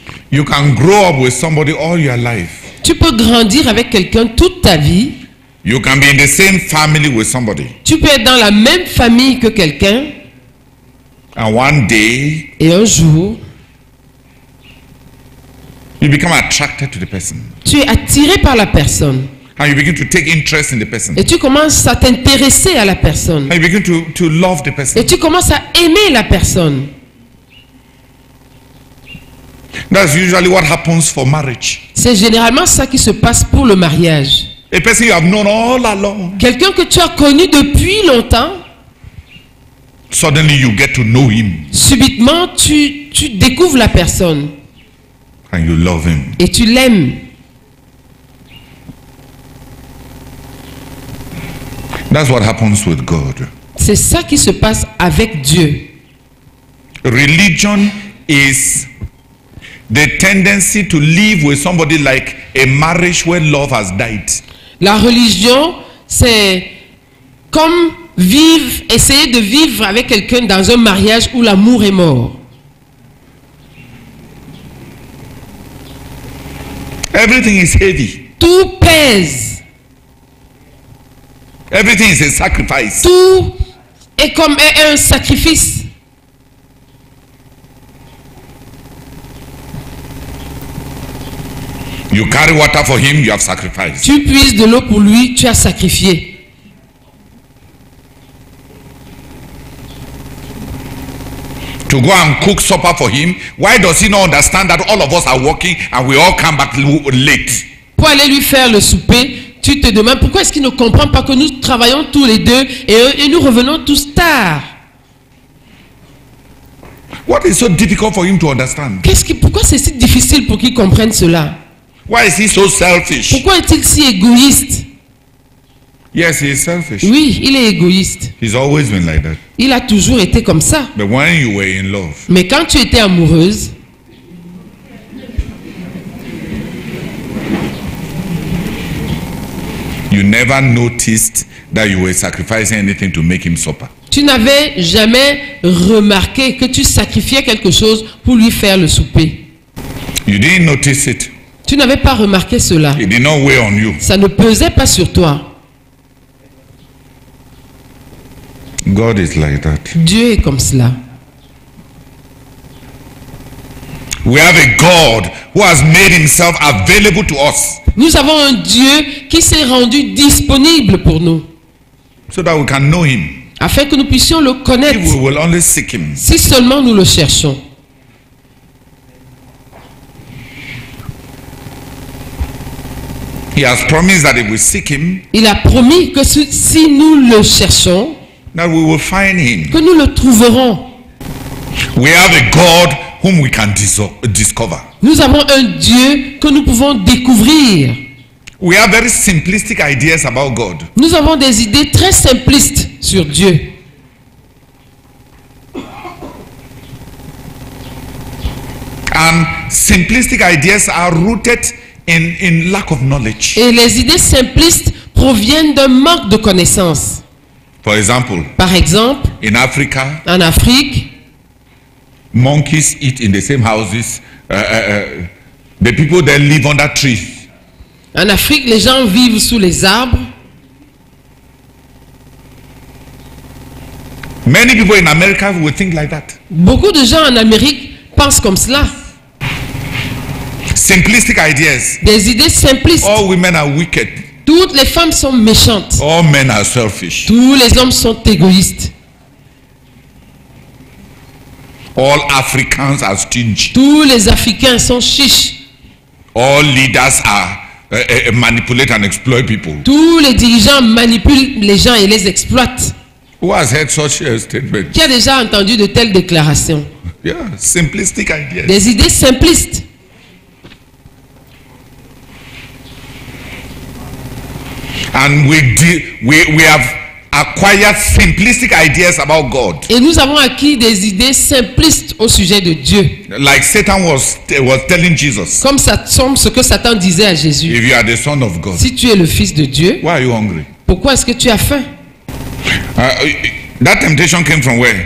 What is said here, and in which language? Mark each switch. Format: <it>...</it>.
<en>You can grow up with somebody all your life.</en> <fr>Tu peux grandir avec quelqu'un toute ta vie.</fr> <en>You can be in the same family with somebody.</en> <fr>Tu peux être dans la même famille que quelqu'un.</fr> <en>And one day,</en> <fr>et un jour,</fr> <en>you become attracted to the person.</en> <fr>Tu es attiré par la personne.</fr> <en>And you begin to take interest in the person.</en> <fr>Et tu commences à t'intéresser à la personne.</fr> <en>And you begin to love the person.</en> <fr>Et tu commences à aimer la personne.</fr> <en>That's usually what happens for marriage.</en> <fr>C'est généralement ça qui se passe pour le mariage.</fr> <en>A person you have known all along.</en> <fr>Quelqu'un que tu as connu depuis longtemps.</fr> <en>Suddenly you get to know him.</en> <fr>Subitement, tu découvres la personne.</fr> <en>And you love him.</en> <fr>Et tu l'aimes.</fr> <en>That's what happens with God.</en> <fr>C'est ça qui se passe avec Dieu.</fr> <en>Religion is the tendency to live with somebody like a marriage where love has died.</en> <fr>La religion, c'est comme vivre, essayer de vivre avec quelqu'un dans un mariage où l'amour est mort.</fr> <en>Everything is heavy.</en> <fr>Tout pèse.</fr> <en>Everything is a sacrifice.</en> <fr>Tout est comme un sacrifice.</fr> <en>You carry water for him, you have sacrificed.</en> <fr>Tu puises de l'eau pour lui, tu as sacrifié.</fr> <en>To go and cook supper for him, why does he not understand that all of us are working and we all come back late?</en> <fr>Pour aller lui faire le souper, tu te demandes pourquoi est-ce qu'il ne comprend pas que nous travaillons tous les deux et nous revenons tous tard.</fr> <en>What is so difficult for him to understand?</en> <fr>Pourquoi c'est si difficile pour qu'il comprenne cela?</fr> <en>Why is he so selfish?</en> <fr>Pourquoi est-il si égoïste?</fr> <en>Yes, he is selfish.</en> <fr>Oui, il est égoïste.</fr> <en>He's always been like that.</en> <fr>Il a toujours été comme ça.</fr> <en>But when you were in love.</en> <fr>Mais quand tu étais amoureuse.</fr> <en>You never noticed that you were sacrificing anything to make him supper.</en> <fr>Tu n'avais jamais remarqué que tu sacrifiais quelque chose pour lui faire le souper.</fr> <en>You didn't notice it.</en> <fr>Tu n'avais pas remarqué cela.</fr> <en>It did not weigh on you.</en> <fr>Ça ne pesait pas sur toi.</fr> <en>God is like that.</en> <fr>Dieu est comme cela.</fr> <en>We have a God who has made himself available to us.</en> <fr>Nous avons un Dieu qui s'est rendu disponible pour nous.</fr> <en>So that we can know him.</en> <fr>Afin que nous puissions le connaître.</fr> <en>If we will only seek him.</en> <fr>Si seulement nous le cherchons.</fr> <en>He has promised that if we seek him,</en> <fr>il a promis que si nous le cherchons,</fr> <en>that we will find him.</en> <fr>Que nous le trouverons.</fr> <en>We have a God whom we can discover.</en> <fr>Nous avons un Dieu que nous pouvons découvrir.</fr> <en>We have very simplistic ideas about God.</en> <fr>Nous avons des idées très simplistes sur Dieu.</fr> <en>And simplistic ideas are rooted in lack of knowledge.</en> <fr>Et les idées simplistes proviennent d'un manque de connaissance.</fr> <en>For example,</en> <fr>par exemple,</fr> <en>in Africa,</en> <fr>en Afrique,</fr> <en>monkeys eat in the same houses. The people there live under trees.</en> <fr>En Afrique, les gens vivent sous les arbres.</fr> <en>Many people in America will think like that.</en> <fr>Beaucoup de gens en Amérique pensent comme cela.</fr> <en>Simplistic ideas.</en> <fr>Des idées simplistes.</fr> <en>All women are wicked.</en> <fr>Toutes les femmes sont méchantes.</fr> <en>All men are selfish.</en> <fr>Tous les hommes sont égoïstes.</fr> <en>All Africans are stingy.</en> <fr>Tous les Africains sont chiches.</fr> <en>All leaders manipulate and exploit people.</en> <fr>Tous les dirigeants manipulent les gens et les exploitent.</fr> <en>Who has heard such a statement?</en> <fr>Qui a déjà entendu de telles déclarations?</fr> <en>Yeah, simplistic ideas.</en> <fr>Des idées simplistes.</fr> <en>And we have acquired simplistic ideas about God.</en> <fr>Et nous avons acquis des idées simplistes au sujet de Dieu.</fr> <en>Like Satan was telling Jesus.</en> <fr>Comme ce que Satan disait à Jésus.</fr> <en>If you are the son of God.</en> <fr>Si tu es le fils de Dieu.</fr> <en>Why are you hungry?</en> <fr>Pourquoi est-ce que tu as faim?</fr> <en>That temptation came from where?</en>